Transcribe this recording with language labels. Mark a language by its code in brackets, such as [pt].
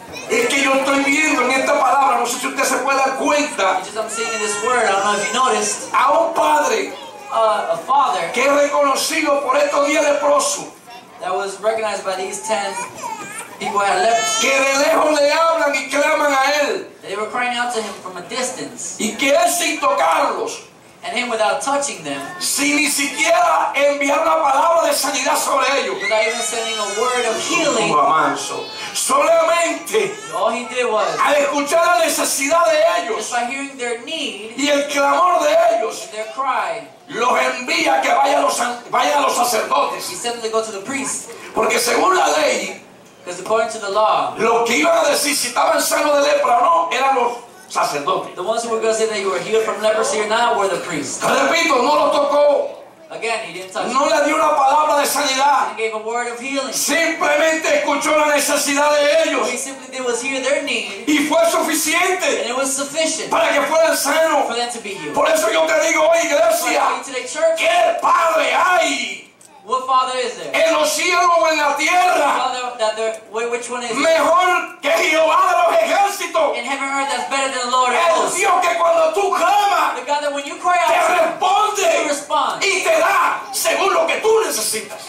[es] Es que yo estoy viendo en esta palabra, no sé si usted se puede dar cuenta. [en] Just, I'm seeing in this word, I don't know if you noticed. [es] A un padre. [en] A father. [es] Que es reconocido por estos días leprosos. [en] That was recognized by these 10 people at leprosy. [es] Que de lejos le hablan y claman a él. [en] They were crying out to him from a distance. [es] Y que él sin tocarlos. [en] And him without touching them. [es] Sin ni siquiera enviar una palabra de sanidad sobre ellos. [en] Without even sending a word of healing. [es] Solamente. [en] All he did was. [es] Al escuchar la necesidad de ellos. [en] Just by hearing their need. [es] Y el clamor de ellos. [en] And their cry. [es] Los envía que vaya a los sacerdotes. [en] He sent them to go to the priest. [es] Porque según la ley. [en] Because according to the law. [es] Los que iban a decir si estaban sanos de lepra o no eran los. [en] The ones who were going to say that you were healed from leprosy or not were the priests. [es] Repito, no lo tocó. [en] Again, he didn't touch [es] no [en] him. [es] Le dio una palabra de sanidad. [en] He gave a word of healing. [es] Simplemente escuchó la necesidad de ellos. [en] What he simply did was hear their need. [es] Y fue suficiente. [en] And it was sufficient. [es] Para que fueran sanos. [en] For them to be healed. [es] Por eso yo te digo hoy, iglesia. [en] Today, church, [es] ¿qué padre hay? [en] What father is there? [es] En los cielos o en la tierra. [en] Which one is [es] mejor que Jehová de los ejércitos. [en] In heaven earth, that's better than the Lord of hosts. [es] El Dios que cuando tú clamas. [en] The God that when you cry out. [es] Te responde. [en] He responds. [es] Y te da según lo que tú necesitas.